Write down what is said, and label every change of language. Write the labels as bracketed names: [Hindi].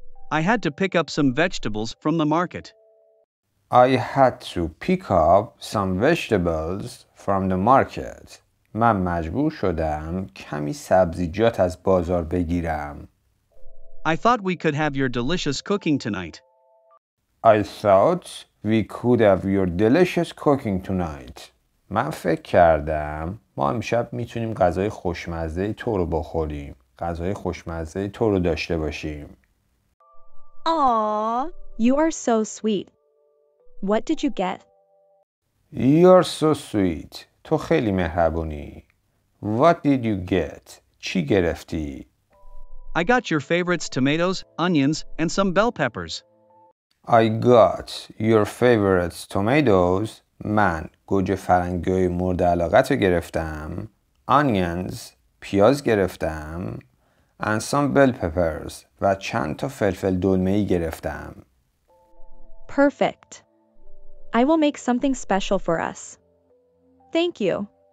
[English] I had to pick up some vegetables from the market. I had to pick up some vegetables from the market. [Persian] من مجبور شدم کمی سبزیجات از بازار بگیرم. [English] I thought we could have your delicious cooking tonight. I thought we could have your delicious cooking tonight. [Persian] من فکر کردم ما امشب میتونیم غذای خوشمزه تو رو بخوریم. غذای خوشمزه تو رو داشته باشیم. [English] Aww, you are so sweet. What did you get? You are so sweet. [Persian] تو خیلی مهربونی. [English] What did you get? [Persian] چی گرفتی؟ [English] I got your favorites tomatoes, onions, and some bell peppers. I got your favorites tomatoes. [Persian] من گوجه فرنگی مورد علاقتو گرفتم. [English] Onions, [Persian] پیاز گرفتم. [English] And some bell peppers. [Persian] و چند تا فلفل دلمه ای گرفتم. [English] Perfect. I will make something special for us. Thank you.